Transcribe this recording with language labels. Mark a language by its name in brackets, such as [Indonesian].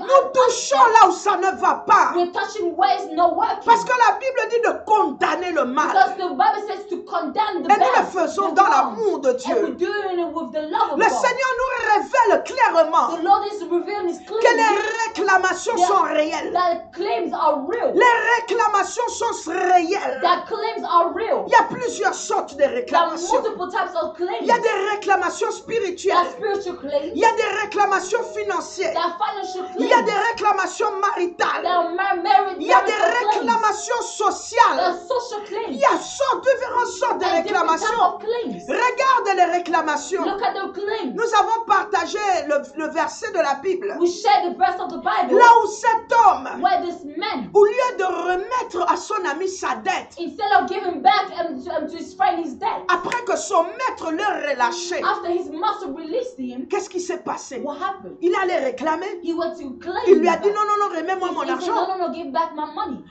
[French] nous touchons là où ça ne va pas. [English] We're touching where it's not working. [French] Parce que la Bible dit de condamner le mal. [English] Because the Bible says to condemn the [French] bad. Et nous le faisons dans l'amour de Dieu. [English] And we're doing it with the love of God. [French] Le Seigneur nous révèle clairement. [English] The Lord is revealing his clearly. [French] Les réclamations sont réelles. [English] The claims are real. [French] Les réclamations sont réelles. [English] The claims are real. [French] Il y a plusieurs sortes de réclamations. [English] There are multiple types of claims. [French] Il y a des réclamations spirituelles. [English] The spiritual claims. [French] Il y a des réclamations financières. [English] The financial claims. [French] Il y a des réclamations maritales. [English] The [French] il y a des réclamations [English] claims. [French] Sociales. [English] The social claims. [French] Il y a différentes sortes de [English] and [French] réclamations. [English] Different types of claims. [French] Regarde les réclamations. [English] Look at the claims. [French] Nous avons partagé le verset de la Bible. [English] We share the verse of the Bible, [French] là où cet homme, [English] where this man, [French] au lieu de remettre à son ami sa dette, [English] instead of giving back to his friend his debt, [French] après que son maître le relâchait, [English] after his master released him, [French] qu'est-ce qui s'est passé? [English] What happened? [French] Il allait réclamer. [English] He went to claim. [French] Il lui a dit non non non, remets-moi mon argent. [English] No no no, give back my money.